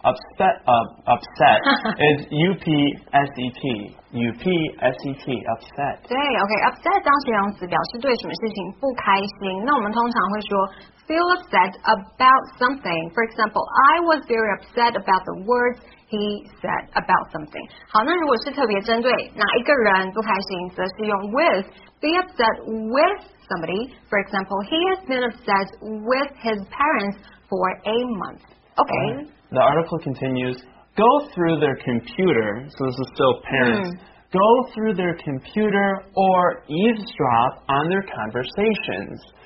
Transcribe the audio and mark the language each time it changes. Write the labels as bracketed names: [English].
[English] Upset is U-P-S-E-T. U-P-S-E-T. Upset. [Chinese] 对 ,OK. Upset 当形容词表示对什么事情不开心。那我们通常会说 [English] Feel upset about something. For example, I was very upset about the words he said about something. [Chinese] 好，那如果是特别针对哪一个人不开心，则是用 with. [English] Be upset with somebody. For example, he has been upset with his parents for a month. Okay. The article continues. Go through their computer. So this is still parents. Go through their computer or eavesdrop on their conversations.